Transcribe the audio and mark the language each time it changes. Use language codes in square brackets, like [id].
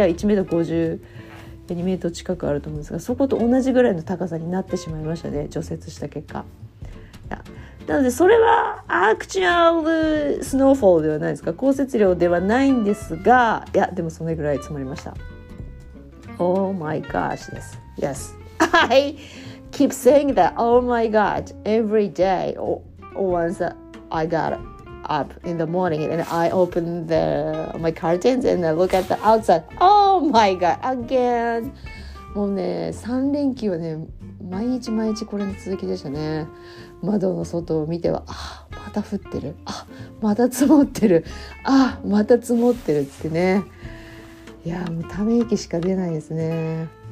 [ja] いや1メーター50、2メートル近くあると思うんですが、そこと同じぐらいの高さになってしまいましたね、除雪した結果。いや、なのでそれはアクチュアルスノーフォールではないですか、降雪量ではないんですが、いやでもそれぐらい積もりました。 [en] Oh my gosh です。 Yes, I keep saying that Oh my god every day once I got up in the morning and I open the my curtains and I look at the outside. Oh my god, again. [ja] もうね、3連休はね、毎日毎日これの続きでしたね。窓の外を見ては、あ、また降ってる。あ、また積もってる。あ、また積もってるってね。いや、もうため息しか出ないですね。